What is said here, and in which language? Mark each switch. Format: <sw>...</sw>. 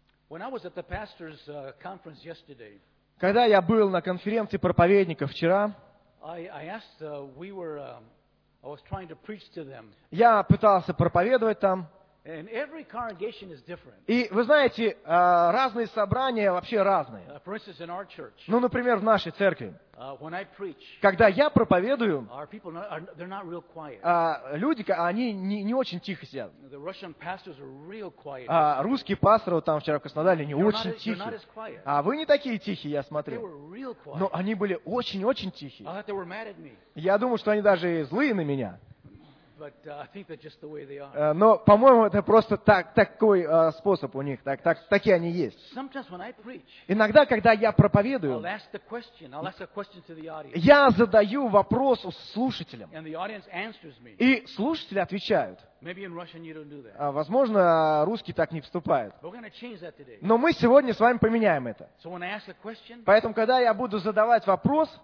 <en>When I was at the pastor's conference yesterday,</en> <ru>когда я был на конференции проповедников вчера,</ru> <en>I was trying to preach to them.</en> <ru>Я пытался проповедовать там.</ru> <en>And every congregation is different.</en> <ru>И вы знаете, разные собрания вообще разные.</ru> <en>For instance, in our church,</en> <ru>ну, например, в нашей церкви,</ru> <en>when I preach,</en> <ru>когда я проповедую,</ru> <en>our people are, they're not real quiet.</en> <ru>Люди, они не очень тихо сидят.</ru> <en>The Russian pastors are real quiet.</en> <ru>Русские пасторы там вчера в Краснодаре, они</ru> <en>you're</en> <ru>очень</ru> <en>not,</en> <ru>тихие.</ru> <en>You're not as quiet.</en> <ru>А вы не такие тихие, я смотрю.</ru> <en>They were real quiet.</en> <ru>Но они были очень-очень тихие.</ru> <en>I thought they were mad at me.</en> <ru>Я думаю, что они даже злые на меня.</ru> <en>But I think that's just the way they are.</en> <ru>Но, по-моему, это просто такой способ у них. Такие они есть.</ru> <en>Sometimes when I preach,</en> <ru>иногда, когда я проповедую,</ru> <en>I'll ask the question, I'll ask a question to the audience.</en> <ru>Я задаю вопрос слушателям.</ru> <en>And the audience answers me.</en> <ru>И слушатели отвечают.</ru> <en>Maybe in Russian you don't do that.</en> <ru>Возможно, русские так не вступают.</ru> <en>But we're gonna change that today.</en> <ru>Но мы сегодня с вами поменяем это.</ru> <en>So when I ask a question,</en> <ru>поэтому, когда я буду задавать вопрос,</ru>